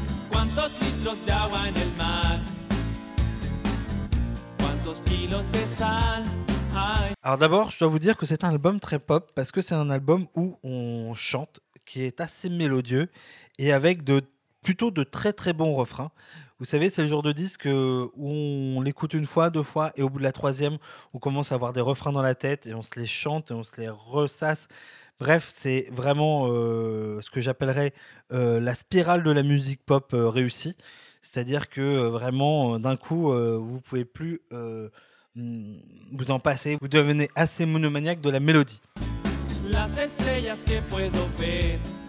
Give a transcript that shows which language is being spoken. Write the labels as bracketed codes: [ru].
[es] ¿Cuántos litros de agua en el mar? ¿Cuántos kilos de sal? [fr] Alors d'abord, je dois vous dire que c'est un album très pop parce que c'est un album où on chante, qui est assez mélodieux et avec plutôt de très très bons refrains. Vous savez, c'est le genre de disque où on l'écoute une fois, deux fois, et au bout de la troisième, on commence à avoir des refrains dans la tête et on se les chante et on se les ressasse. Bref, c'est vraiment ce que j'appellerais la spirale de la musique pop réussie. C'est-à-dire que vraiment, d'un coup, vous ne pouvez plus vous en passer. Vous devenez assez monomaniaque de la mélodie. [es] Las estrellas que puedo ver.